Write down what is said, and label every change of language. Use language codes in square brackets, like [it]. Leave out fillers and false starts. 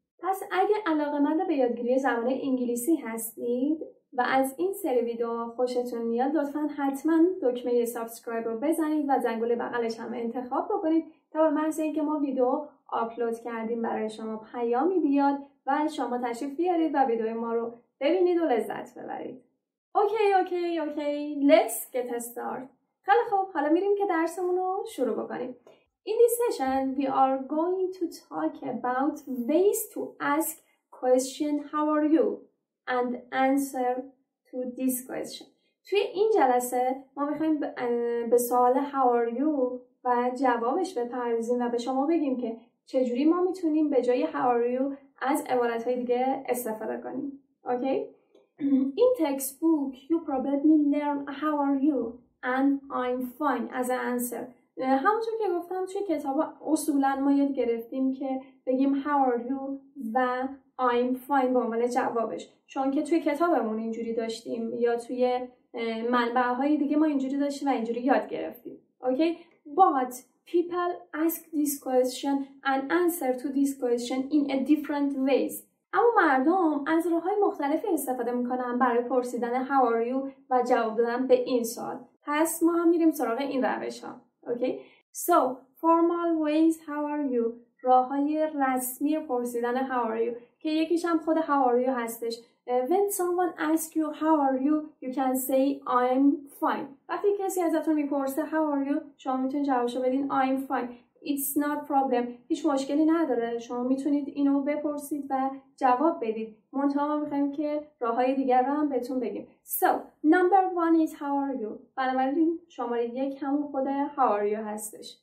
[fa] پس اگه علاقه‌مند به یادگیری زبان انگلیسی هستید و از این سری ویدیو خوشتون میاد، لطفا حتما دکمه سابسکرایب رو بزنید و زنگوله بغلش هم انتخاب بکنید تا به محض اینکه ما ویدیو آپلود کردیم برای شما پیامی بیاد و شما تشریف بیارید و ویدیو ما رو ببینید و لذت ببرید. [en] Okay, let's get started. [fa] خیلی خوب، حالا میریم که درسمون رو شروع بکنیم. [en] In this session, we are going to talk about ways to ask question how are you and answer to this question. [fa] توی این جلسه ما میخواییم به سوال [en] how are you [fa] و جوابش بپردازیم و به شما بگیم که چجوری ما میتونیم به جای how are you از عبارت های دیگه استفاده کنیم. [en] Okay? In textbook, you probably learn how are you and I'm fine as an answer. [fa] همونطور که گفتم توی کتاب اصولا ما یاد گرفتیم که بگیم [en] how are you [fa] و [en] I'm fine [fa] به عنوان جوابش، چون که توی کتابمون اینجوری داشتیم یا توی منبعهای دیگه ما اینجوری داشتیم و اینجوری یاد گرفتیم. [en] Okay? But people ask this question and answer to this question in a different ways. [fa] اما مردم از راه‌های مختلفی استفاده میکنن برای پرسیدن [en] how are you [fa] و جواب دادن به این سوال. پس ما هم میریم سراغ این روش ها. [en] Okay? So, formal ways how are you. [fa] راه‌های رسمی پرسیدن [en] how are you [fa] که یکیش هم خود how are you هستش. [en] When someone asks you how are you can say I'm fine. [fa] وقتی کسی ازتون میپرسه [en] how are you [fa] شما میتونید جوابشو بدین [en] I'm fine. It's not problem. [fa] هیچ مشکلی نداره. شما میتونید اینو بپرسید و جواب بدید. منتها ما میخواییم که راه های دیگر رو هم بهتون بگیم. [en] So, number one is how are you. [fa] بنابراین شماره یک همون خود [en] how are you [fa] هستش.